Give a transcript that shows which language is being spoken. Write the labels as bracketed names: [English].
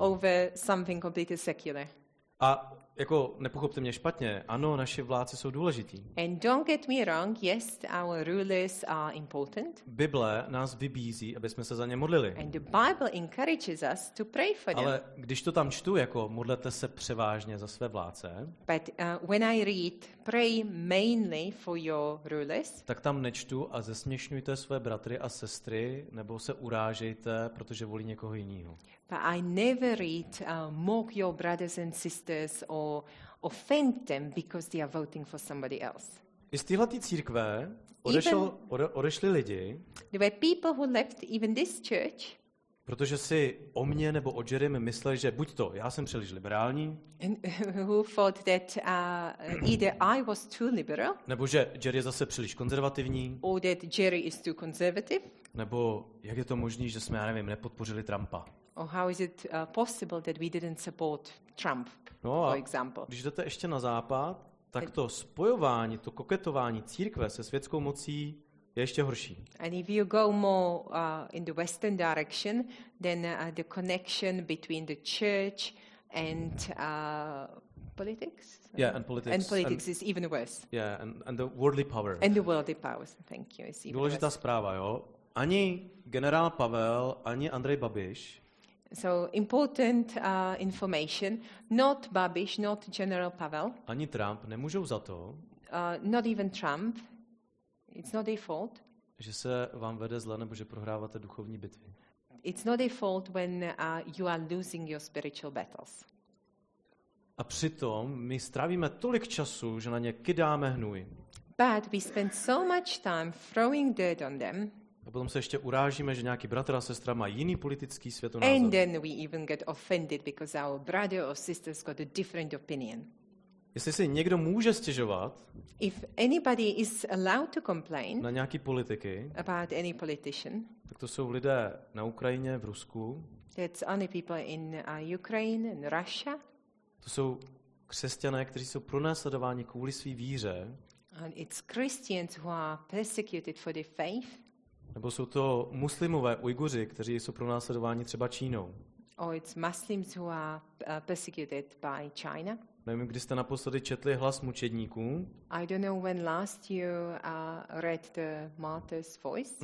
[English] Over something completely secular. [Czech] A jako nepochopte mě špatně, ano, naši vládci jsou důležití. [English] And don't get me wrong, yes, our rulers are important. [Czech] Bible nás vybízí, aby jsme se za ně modlili. [English] And the Bible encourages us to pray for them. [Czech] Ale když to tam čtu, jako modlete se převážně za své vládce. [English] But when I read, pray mainly for your rulers. [Czech] Tak tam nečtu a zesměšňujte své bratry a sestry, nebo se urážejte, protože volí někoho jiného. [English] But I never read mock your brothers and sisters or offend them because they are voting for somebody else. [Czech] I z téhleté církve odešli lidi. [English] There were people who left even this church. [Czech] Protože si o mě nebo o Jeremy mysleli, že buď to, já jsem příliš liberální. [English] And who thought that either I was too liberal? [Czech] Nebo že Jerry je zase příliš konzervativní? [English] Or that Jerry is too conservative? [Czech] Nebo jak je to možné, že jsme, já nevím, nepodpořili Trumpa? [English] Or how is it possible that we didn't support Trump, for example? [Czech] Když jdete ještě na západ, tak to spojování, to koketování církve se světskou mocí je ještě horší. [English] And if you go more in the western direction, then the connection between the church and politics? Yeah, and politics. And politics is even worse. Yeah, and the worldly power. And the worldly powers. Thank you. It's even [Czech] důležitá [English] worse. [Czech] Zpráva, jo. Ani generál Pavel, ani Andrej Babiš. [English] So important information, not Babiš, not General Pavel. [Czech] Ani Trump nemůžou za to. [English] Not even Trump. It's not their fault. [Czech] Že se vám vede zle nebo že prohráváte duchovní bitvy. [English] It's not their fault when you are losing your spiritual battles. [Czech] A přitom my strávíme tolik času, že na ně kydáme hnůj. [English] But we spend so much time throwing dirt on them. [Czech] A potom se ještě urážíme, že nějaký bratr a sestra má jiný politický světonázor. [English] And then we even get offended because our brother or sister's got a different opinion. [Czech] Jestli si někdo může stěžovat, [English] if anybody is allowed to complain [Czech] na nějaký politiky, [English] about any politician, [Czech] tak to jsou lidé na Ukrajině, v Rusku. [English] That's only people in Ukraine and Russia. [Czech] To jsou křesťané, kteří jsou pronásledováni kvůli své víře. [English] And it's Christians who are persecuted for their faith. [Czech] Nebo jsou to muslimové Ujguři, kteří jsou pronásledováni třeba Čínou. [English] Or it's Muslims who are persecuted by China. [Czech] Nevím, kdy jste naposledy četli Hlas mučedníků. [English] I don't know when last you read the martyr's voice.